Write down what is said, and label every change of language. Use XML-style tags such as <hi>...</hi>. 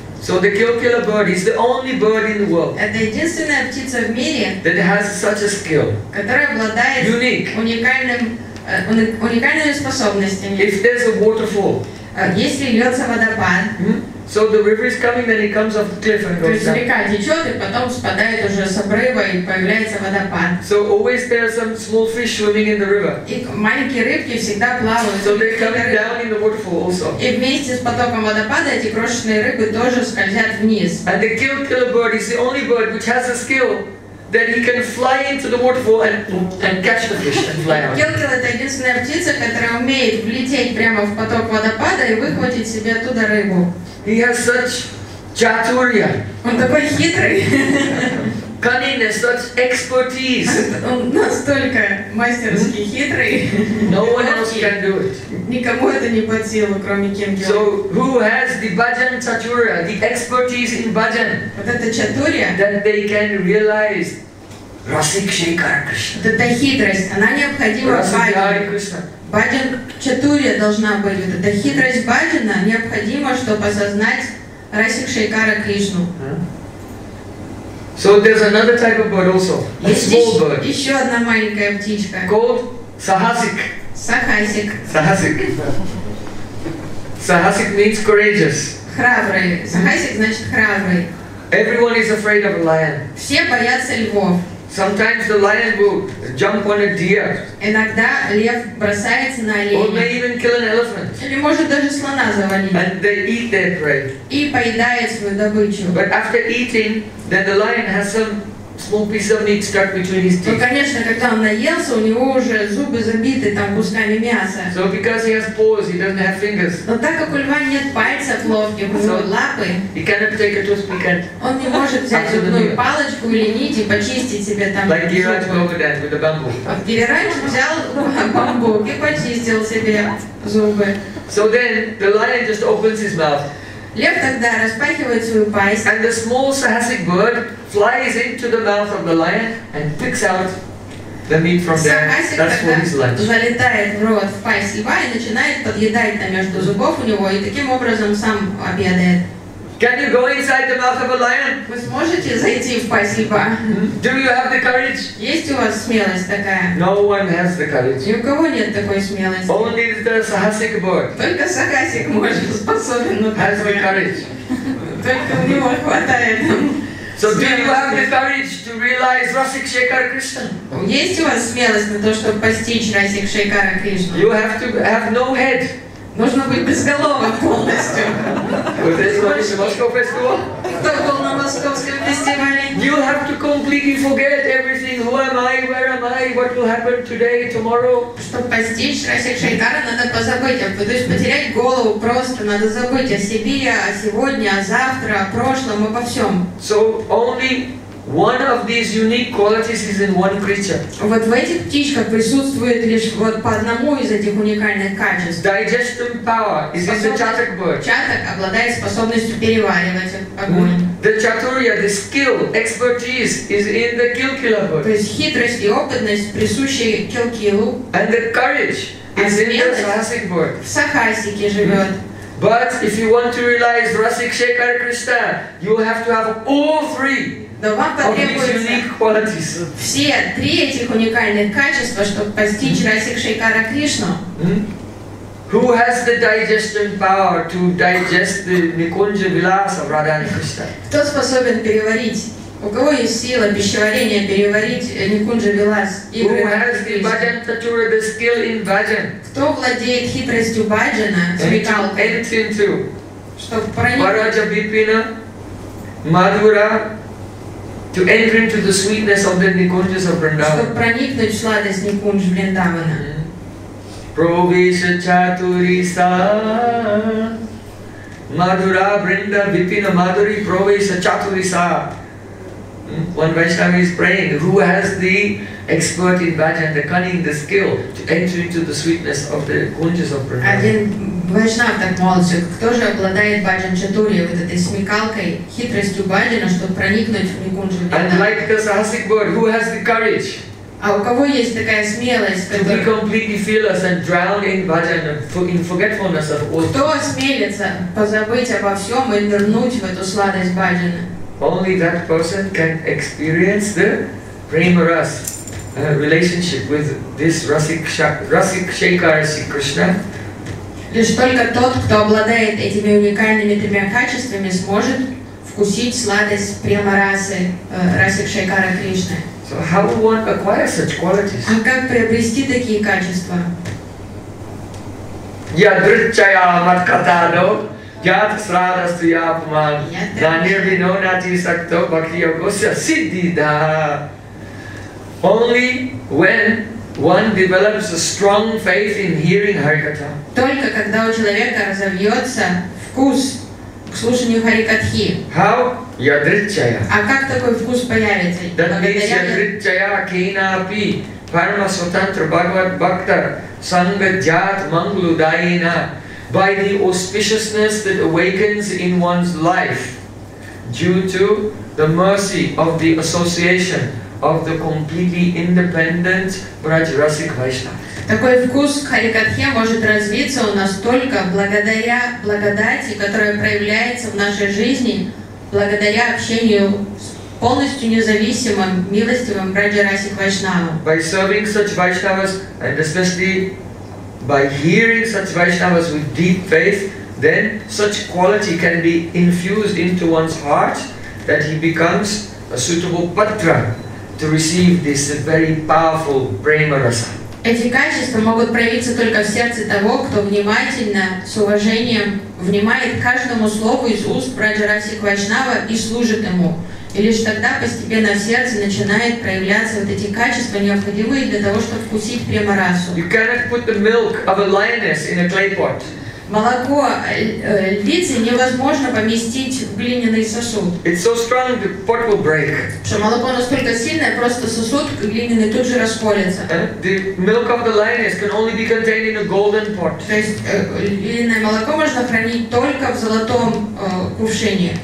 <en>So the Kilkila bird is the only bird in the world.</en> <ru>Это единственная птица в мире.</ru> <en>That has such a skill.</en> <ru>Которая обладает уникальными способностями.</ru> <en>If there's a waterfall.</en> <ru>Если льется водопад.</ru> <en>So the river is coming, then it comes off the cliff and goes down.</en> <ru>То есть река течет и потом спадает уже с обрыва и появляется водопад.</ru> <en>So always there are some small fish swimming in the river.</en> <ru>И маленькие рыбки всегда плавают.</ru> <en>So they're coming down in the waterfall also.</en> <ru>И вместе с потоком водопада эти крошечные рыбы тоже скользят вниз.</ru> <en>And the Kilkila bird is the only bird which has a skill that he can fly into the waterfall and catch the fish and fly out.</en> <ru>Kilkila — это единственная птица, которая умеет влететь прямо в поток водопада и выхватить себе оттуда рыбу.</ru> <en>He has such chaturya.</en> <ru>Он такой хитрый.</ru> <en>Cunningness, such expertise.</en> <ru>Он настолько мастерски хитрый.</ru> <en>No one else can do it.</en> <ru>Никому это не под силу, кроме Кимки.</ru> <en>So who has the bhajan chaturya, the expertise in bhajan?</en> <ru>Вот это chaturya.</ru> <en>That they can realize Расикшейкара Кришна.</en> <ru>Вот это хитрость, она необходима Расикшейкара. Бхаджан чатурья должна быть. Вот эта хитрость бхаджана необходима, чтобы осознать Расикшейкара Кришну.</ru> <en>So there's another type of bird also. A small bird.</en> <ru>Еще одна маленькая птичка.</ru> <en>Called Sahasik. Sahasik. Sahasik. Sahasik means courageous.</en> <ru>Храбрый. Sahasik значит храбрый.</ru> <en>Everyone is afraid of a lion.</en> <ru>Все боятся львов.</ru> <en>Sometimes the lion will jump on a deer.</en> <ru>Иногда лев бросается на оленя.</ru> <en>Or may even kill an elephant.</en> <ru>Или может даже слона завалить.</ru> <en>And they eat their prey.</en> <ru>И поедает свою добычу.</ru> <en>But after eating, then the lion has some small piece of meat stuck between his teeth.</en> <ru>Ну конечно, когда он наелся, у него уже зубы забиты там кусками мяса.</ru> <en>So because he has paws, he doesn't have fingers.</en> <ru>Но так как у льва нет пальцев ловких, у него лапы.</ru> <en>He cannot take a toothpick.</en> <ru>Он не может взять зубную палочку или нить и почистить себе там.</ru> <en>Like Гирач Магадан with a bamboo.</en> <ru>А Гирач взял бамбук и почистил себе зубы.</ru> <en>So then the lion just opens his mouth.</en> <ru>Лев тогда распахивает свою пасть.</ru> <en>And the small Sahasic bird flies into the mouth of the lion and picks out the meat from there. That's for his lunch.</en> <ru>Залетает в рот в пасть льва и начинает подъедать там между зубов у него и таким образом сам обедает.</ru> <en>Can you go inside the mouth of a lion?</en> <ru>Вы сможете зайти в пасть льва?</ru> <en>Do you have the courage?</en> <ru>Есть у вас смелость такая?</ru> <en>No one has the courage.</en> <ru>Ни у кого нет такой смелости.</ru> <en>Only the sahasic bird.</en> <ru>Только сахасик может способен на такое.</ru> <en>Has the courage.</en> <ru>Только у него хватает.</ru> <en>So do you have the courage to realize Rasik Shekhar Krishna?</en> <ru>Есть у вас смелость на то, чтобы постичь Расик Шейкара Кришну?</ru> <en>You have to have no head.</en> <ru>Нужно быть безголовым полностью. Вот это на московском фестивале? Кто был на московском фестивале?</ru> <en>You have to completely forget everything. Who am I? Where am I? What will happen today, tomorrow?</en> <ru>Чтобы постичь Расик Шейкара, надо позабыть. То есть потерять голову просто. Надо забыть о себе, о сегодня, о завтра, о прошлом, обо всем.</ru> <en>So only one of these unique qualities is in one creature.</en> <ru>Вот в этих птичках присутствует лишь вот по одному из этих уникальных качеств.</ru> <en>Digestive power is in the chatak bird.</en> <ru>Чаток обладает способностью переваривать огонь.</ru> <en>The chaturya, the skill, expertise is in the kilkila bird.</en> <ru>То есть хитрость и опытность присущи килкилу.</ru> <en>And the courage is in the sahasic bird.</en> <ru>В сахасике живет.</ru> <en>But if you want to realize Rasik Shekhar Krishna, you have to have all three.</en> <ru>Но вам потребуется все три этих уникальных качества, чтобы постичь Расик Шейкара Кришну.</ru> <en>Who has the digestion power to digest the Nikunja Vilas of Radha and Krishna?</en> <ru>Кто способен переварить? У кого есть сила пищеварения переварить Nikunja Vilas?</ru> <en>Who has the bhajan tatura, the skill in bhajan?</en> <ru>Кто владеет хитростью бхаджана, смекалкой? Чтобы проникнуть.</ru> <sa>Парача Бипина, Мадхура.</sa> <en>To enter into the sweetness of the Nikunjas of Vrindavan.</en> <ru>Чтобы проникнуть в сладость Никунж Вриндавана.</ru> <sa>Пробеша чатуриса Мадура Бринда Випина Мадури Пробеша чатуриса.</sa> <en>One Vaishnava is praying, who has the expert in bhajan, the cunning, the skill to enter into the sweetness of the Kunjas of Vrindavan.</en> <ru>Один Вайшнав так молится, кто же обладает бхаджан чатурья, вот этой смекалкой, хитростью бхаджана, чтобы проникнуть в Никунджу Вриндавана.</ru> <en>And like the sahasic bird, who has the courage?</en> <ru>А у кого есть такая смелость,</ru> <en>to be completely fearless and drown in bhajan in forgetfulness of all.</en> <ru>Кто осмелится позабыть обо всем и нырнуть в эту сладость бхаджана?</ru> <en>Only that person can experience the prema ras, relationship with this Rasik Shekhar Krishna.</en> <ru>Лишь только тот, кто обладает этими уникальными тремя качествами, сможет вкусить сладость према расы Расик Шейкара Кришны.</ru> <en>So how will one acquire such qualities?</en> <ru>А как приобрести такие качества?</ru> <sa>Ядрчая маткатано. Яд срадасту япман, да нирвино нати сакто бхактия гося сиддида.</sa> <en>Only when one develops a strong faith in hearing Харикатха.</en> <ru>Только когда у человека разовьется вкус к слушанию Харикатхи.</ru> <en>How? Ядритчая.</en> <ru>А как такой вкус появится?</ru> <en>That means</en> <sa>ядритчая кейна апи, парма сутантра бхагават бхактар, санга джат манглу дайна.</sa> <en>By the auspiciousness that awakens in one's life due to the mercy of the association of the completely independent Braj Rasik Vaishnav.</en> <ru>Такой вкус к Харикатхе может развиться у нас только благодаря благодати, которая проявляется в нашей жизни, благодаря общению с полностью независимым, милостивым Брадж Расик Вайшнавом.</ru> <en>By serving such Vaishnavas and especially by hearing such Vaishnavas with deep faith, then such quality can be infused into one's heart that he becomes a suitable patra to receive this very powerful prema rasa.</en> <ru>Эти качества могут проявиться только в сердце того, кто внимательно, с уважением внимает каждому слову из уст Брадж Расик Вайшнава и служит ему. И лишь тогда постепенно в сердце начинают проявляться вот эти качества, необходимые для того, чтобы вкусить према расу.</ru> <en>You cannot put the milk of a lioness in a clay pot.</en> <ru>Молоко львицы невозможно поместить в глиняный сосуд.</ru> <en>It's so strong, the pot will break.</en> <ru>Что молоко настолько сильное, просто сосуд глиняный тут же расколется.</ru> <en>The milk of the lioness can only be contained in a golden pot.</en> <ru>То есть львиное молоко можно хранить только в золотом кувшине.</ru>